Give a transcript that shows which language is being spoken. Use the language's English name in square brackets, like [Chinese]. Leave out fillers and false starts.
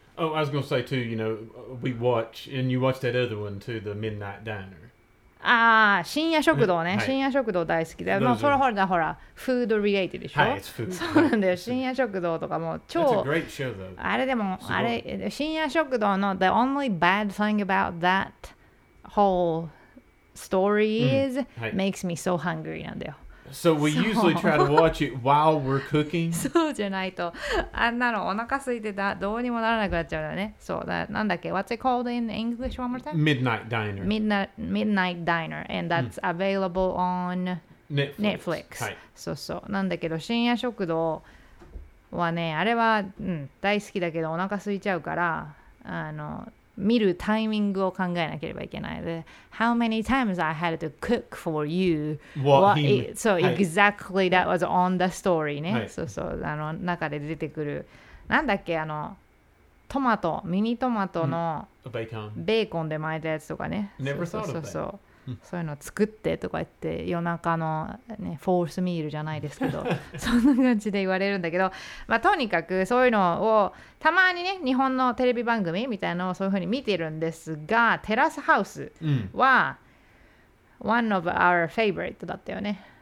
[English] Oh, I was gonna say too, you know, we watch and you watch that other one too, the Midnight Diner. [Japanese] あ深夜食堂ね、はい、深夜食堂大好きだよ、まあ、それほらほらフードリレイティでしょ、 [English] はい、it's food. [Japanese] そうなんだよ深夜食堂とかも超 [English] That's a great show, though. [Japanese] あれでもあれ深夜食堂の [English] The only bad thing about that whole story is、うん [Japanese] はい、 [English] makes me so hungry [Japanese] なんだよ [English] So we usually try to watch it while we're cooking [Japanese] そうじゃないとあんなのお腹空いてたどうにもならなくなっちゃうよねそうだなんだっけ [English] What's it called in English one more time? Midnight Diner Midnight Diner And that's、うん、available on Netflix, Netflix、 [Japanese] はい、そうそうなんだけど深夜食堂はねあれは、うん、大好きだけどお腹空いちゃうからあの見るタイミングを考えなければいけない。 [English] で、How many times I had to cook for you? So exactly that was on the story ね。 [Japanese] そうそう、あの中で出てくる。なんだっけ、あのトマト、ミニトマトのベーコンで巻いたやつとかね。 [English] Never thought of that. [Japanese] そうそういうの作ってとか言って夜中のね、フォースミールじゃないですけどそんな感じで言われるんだけど、まあとにかくそういうのをたまにね、日本のテレビ番組みたいなのをそういうふうに見てるんですが、テラスハウスは [English] one of our favorite [Japanese] だったよね。